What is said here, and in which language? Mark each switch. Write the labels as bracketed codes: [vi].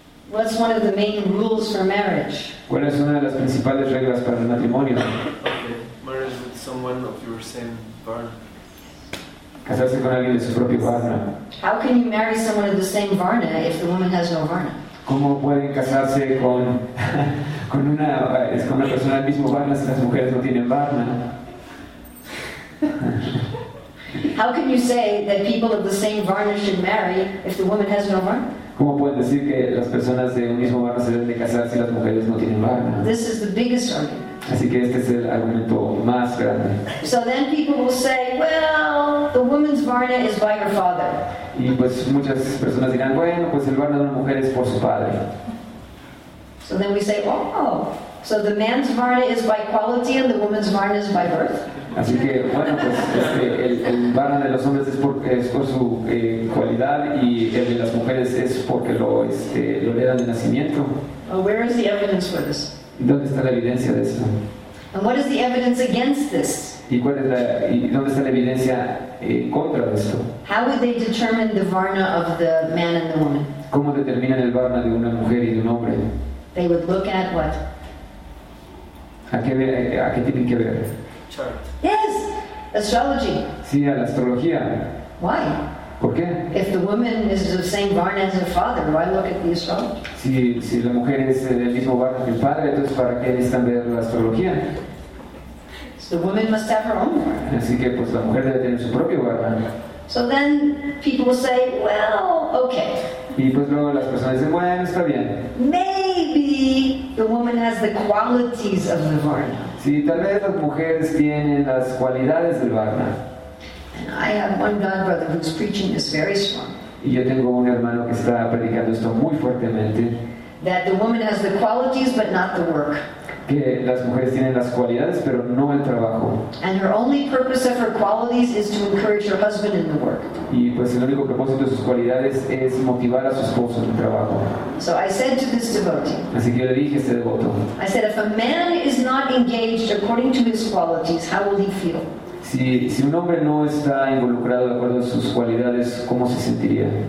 [en] What's one of the main rules for marriage? [es] ¿Cuál es una de las principales reglas para el matrimonio? [en] Marriage with someone of your same varna. [es] Casarse con alguien de su propio varna. [en] How can you marry someone of the same varna if the woman has no varna? [es] ¿Cómo pueden casarse con con una persona del mismo varna si las mujeres no tienen varna? [en] How can you say that people of the same varna should marry if the woman has no varna? [es] ¿Cómo pueden decir que las personas de un mismo varna se deben de casar si las mujeres no tienen varna? [en] This is the biggest argument. [es] Así que este es el argumento más grande. [en] So then people will say, well, the woman's varna is by her father. [es] Y pues muchas personas dirán, bueno, pues el varna de una mujer es por su padre. [en] So then we say, oh, so the man's varna is by quality and the woman's varna is by birth. [es] Así que bueno, pues el varna de los hombres es por su cualidad y el de las mujeres es porque lo heredan de nacimiento. [en] Well, where is the evidence for this? [es] ¿Dónde está la evidencia de eso? [en] And what is the evidence against this? [es] ¿Dónde está la evidencia contra esto? [en] How would they determine the varna of the man and the woman? [es] ¿Cómo determinan el varna de una mujer y de un hombre? [en] They would look at what? [es] ¿A qué tienen que ver? [en] Yes, astrology. [es] Sí, a la astrología. [en] Why? [es] ¿Por qué? [en] If the woman is the same barn as her father, why look at the astrology? [es] Si la mujer es del mismo barn que el padre, entonces ¿para qué necesitan ver la astrología? [en] So the woman must have her own barn. [es] Así que pues la mujer debe tener su propio barn. [en] So then people say, well, okay. [es] Y pues luego las personas dicen, bueno, está bien. [en] Maybe the woman has the qualities of the varna. [es] Sí, tal vez las mujeres tienen las cualidades del varna. [en] And I have one god brother who's preaching this very strong. [es] Y yo tengo un hermano que está predicando esto muy fuertemente. [en] That the woman has the qualities but not the work. [es] Que las mujeres tienen las cualidades pero no el trabajo. [en] And her only purpose of her qualities is to encourage her husband in the work. [es] Y pues el único propósito de sus cualidades es motivar a su esposo en el trabajo. [en] So I said to this devotee. [es] Así que yo le dije a este devoto. [en] I said, if a man is not engaged according to his qualities, how will he feel? [es] Si un hombre no está involucrado de acuerdo a sus cualidades, ¿cómo se sentiría?